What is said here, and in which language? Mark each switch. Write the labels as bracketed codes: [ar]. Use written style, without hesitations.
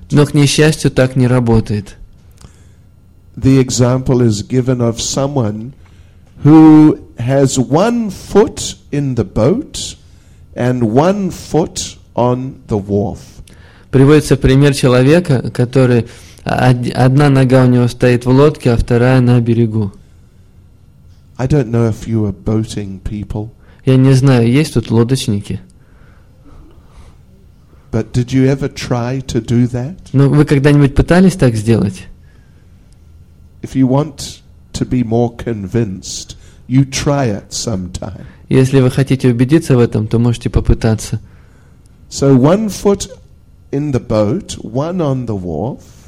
[ru] Но к несчастью так не работает. [en] The example is given of someone who has one foot in the boat and one foot on the wharf. [ru] Приводится пример человека, который одна нога у него стоит в лодке, а вторая на берегу. [en] I don't know if you are boating people. [ru] Я не знаю, есть тут лодочники? [en] But did you ever try to do that? [ru] Но вы когда-нибудь пытались так сделать? [en] If you want to be more convinced, you try it sometime. [ru] Если вы хотите убедиться в этом, то можете попытаться. [en] So one foot in the boat, one on the wharf.